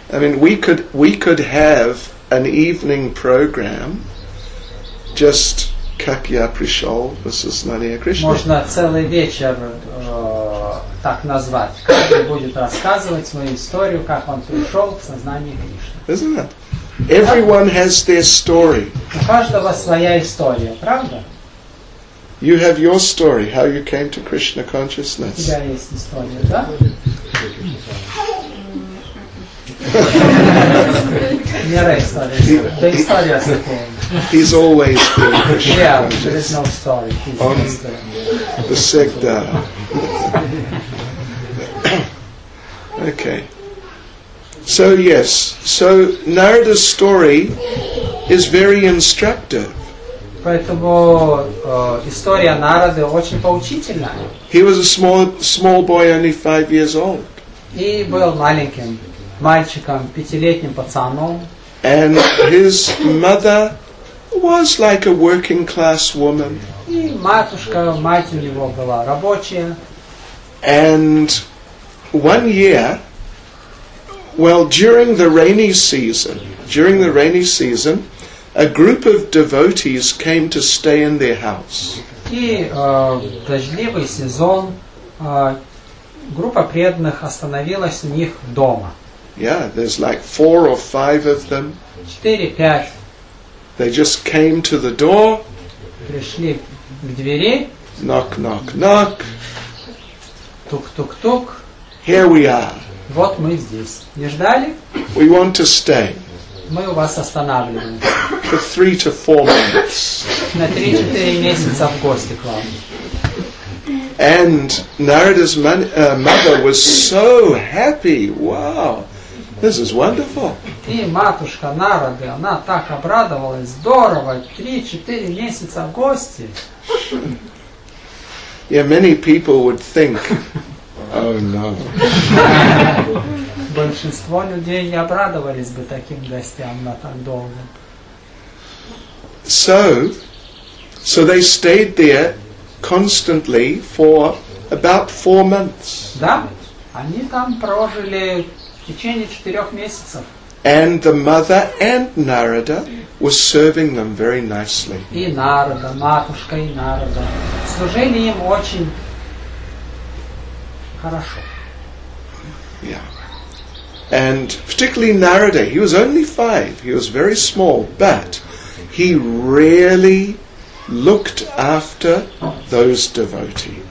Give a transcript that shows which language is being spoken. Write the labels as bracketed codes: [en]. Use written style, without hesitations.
[en] I mean, we could have an evening program just [ru] как я пришел в сознание Кришны. Можно целый вечер так назвать. Каждый будет рассказывать свою историю, как он пришел в сознание Кришны. [en] Isn't it? Everyone has their story. [ru] У каждого своя история, правда? [en] You have your story, how you came to Krishna consciousness. [ru] У тебя есть история, да? [en] He's always been Krishna. Yeah, there is no story. He's on the Sekta. Okay. So yes. So Narada's story is very instructive. [ru] Поэтому история Нарады очень поучительная. [en] He was a small boy, only 5 years old. He [ru] был маленьким. Мальчиком, пятилетним пацаном. [en] And his mother was like a working class woman. [ru] И матушка, мать у него была рабочая. [en] And one year, well, during the rainy season, a group of devotees came to stay in their house. [ru] И дождливый сезон, группа преданных остановилась у них дома. [en] Yeah, there's like 4 or 5 of them. [ru] 4-5. [en] They just came to the door. [ru] Пришли к двери. [en] Knock, knock, knock. [ru] Тук, тук, тук. [en] Here we are. [ru] Вот мы здесь. Не ждали? [en] We want to stay. [ru] Мы у вас останавливаем. [en] For 3 to 4 months. [ru] На 3-4 месяца в гости к вам. [en] And Narada's mother was so happy. Wow. This is wonderful. [ru] И матушка Нарады, она так обрадовалась, здорово, 3-4 месяца в гости. [en] Yeah, many people would think, oh no. [ru] Большинство людей не обрадовались бы таким гостям на так долго. [en] So they stayed there constantly for about 4 months. [ru] Да, они там прожили в течение 4 месяцев. [en] And the mother and Narada were serving them very nicely. [ru] И Нарада, матушка и Нарада служили им очень хорошо. [en] Yeah. And particularly Narada, he was only 5, he was very small, but he really looked after those devotees.